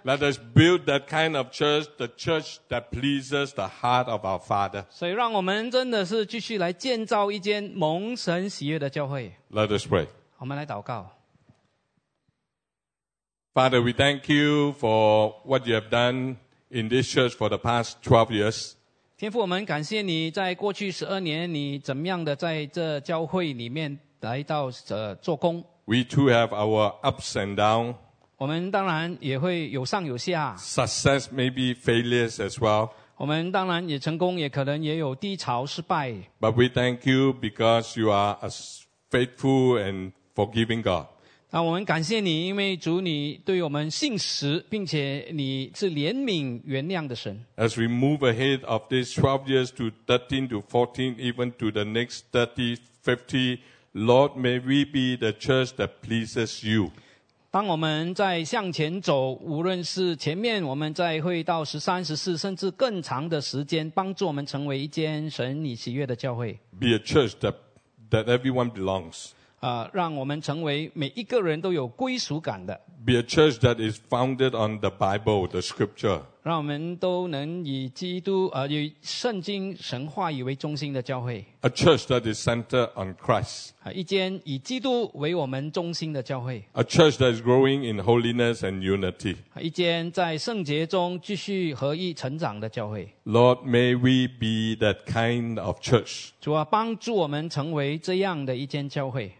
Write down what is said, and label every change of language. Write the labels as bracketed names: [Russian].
[English] Let us build that kind of church, the church that pleases the heart of our Father. [Chinese] 所以让我们真的是继续来建造一间蒙神喜悦的教会。 [English] Let us pray. [Chinese] 我们来祷告。 [English] Father, we thank you for what you have done in this church for the past 12 years. [Chinese] 天父，我们感谢你在过去12年你怎么样的在这教会里面来到做工。 [English] We too have our ups and downs. [Chinese] 我们当然也会有上有下。 [English] Success maybe failures as well. [Chinese] 我们当然也成功，也可能也有低潮失败。 [English] But we thank you because you are a faithful and forgiving God. [Chinese] 那我们感谢你，因为主你对我们信实，并且你是怜悯原谅的神。 [English] As we move ahead of these 12 years to 13 to 14, even to the next 30, 50, Lord, may we be the church that pleases you. [Chinese] 当我们在向前走，无论是前面我们再会到13、14，甚至更长的时间，帮助我们成为一间神你喜悦的教会。 [English] Be a church that everyone belongs. [Chinese] 让我们成为每一个人都有归属感的。 [English] Be a church that is founded on the Bible, the Scripture. [Chinese] 让我们都能以基督以圣经神话语为中心的教会。 [English] A church that is centered on Christ. [Chinese] 一间以基督为我们中心的教会。 [English] A church that is growing in holiness and unity. [Chinese] 一间在圣洁中继续合一成长的教会。 [English] Lord, may we be that kind of church. [Chinese] 主啊，帮助我们成为这样的一间教会。